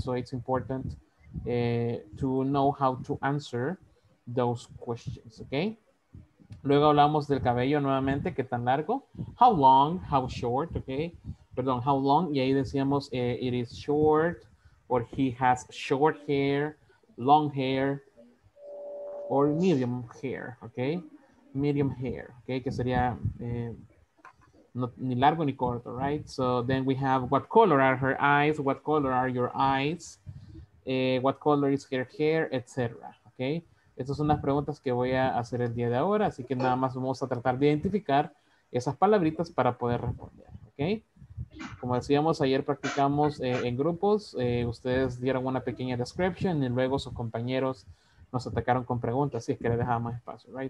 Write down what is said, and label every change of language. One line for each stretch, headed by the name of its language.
English: So it's important to know how to answer those questions, okay?
Spanish: Luego hablamos del cabello nuevamente, ¿qué tan largo?
English: How long, how short, okay?
Spanish: Perdón,
English: how long, y ahí decíamos it is short, or he has short hair, long hair, or medium hair, okay? Medium hair,
Spanish: okay? Que sería ni largo ni corto, right?
English: So then we have what color are her eyes, what color are your eyes, what color is her hair, etc., okay?
Spanish: Estas son las preguntas que voy a hacer el día de ahora, así que nada más vamos a tratar de identificar esas palabritas para poder responder, okay? Como decíamos, ayer practicamos en grupos, ustedes dieron una pequeña description y luego sus compañeros nos atacaron con preguntas, si es que les dejaba más espacio, right?